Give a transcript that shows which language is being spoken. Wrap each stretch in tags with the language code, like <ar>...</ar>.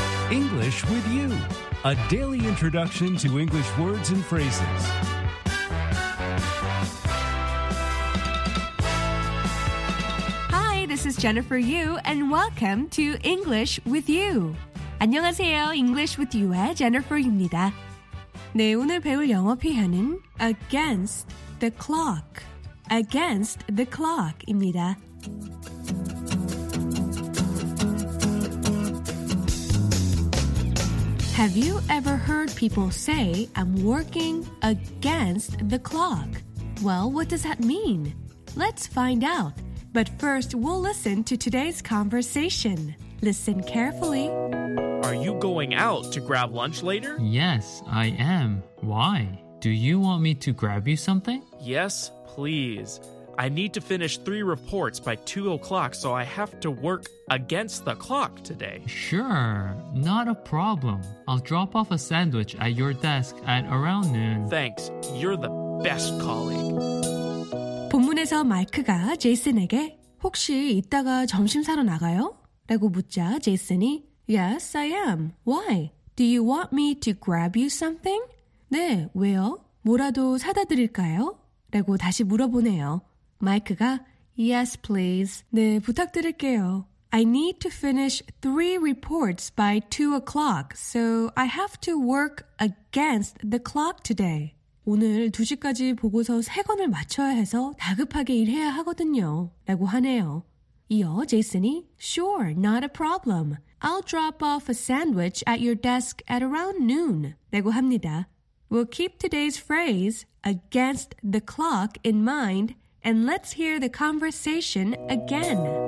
<en>English with you, a daily introduction to English words and phrases. This is Jennifer Yu, and welcome to English with You.</en> <ko>안녕하세요, English with You의 Jennifer입니다. 네, 오늘 배울 영어 표현은</ko> <en>against the clock, against the clock</en> <ko>입니다.</ko> <en>'Have you ever heard people say, I'm working against the clock? Well, what does that mean? Let's find out. But first, we'll listen to today's conversation. Listen carefully. Are you going out to grab lunch later? Yes, I am. Why? Do you want me to grab you something? Yes, please. I need to finish 3 reports by 2 o'clock, so I have to work against the clock today. Sure, not a problem. I'll drop off a sandwich at your desk at around noon. Thanks, you're the best colleague.</en> <ko>본문에서 마이크가 제이슨에게 혹시 이따가 점심 사러 나가요? 라고 묻자 제이슨이</ko> <en>Yes, I am. Why? Do you want me to grab you something?</en> <ko>네, 왜요? 뭐라도 사다 드릴까요? 라고 다시 물어보네요. 마이크가</ko> <en>Yes, please.</en> <ko>네, 부탁드릴게요.</ko> <en>I need to finish 3 reports by 2 o'clock, so I have to work against the clock today.</en> <ko>오늘 2시까지 보고서 3권을 마쳐야 해서 다급하게 일해야 하거든요. 라고 하네요. 이어 제이슨이</ko> <en>Sure, not a problem. I'll drop off a sandwich at your desk at around noon.</en> <ko>라고 합니다.</ko> <en>We'll keep today's phrase against the clock in mind and let's hear the conversation again.</en>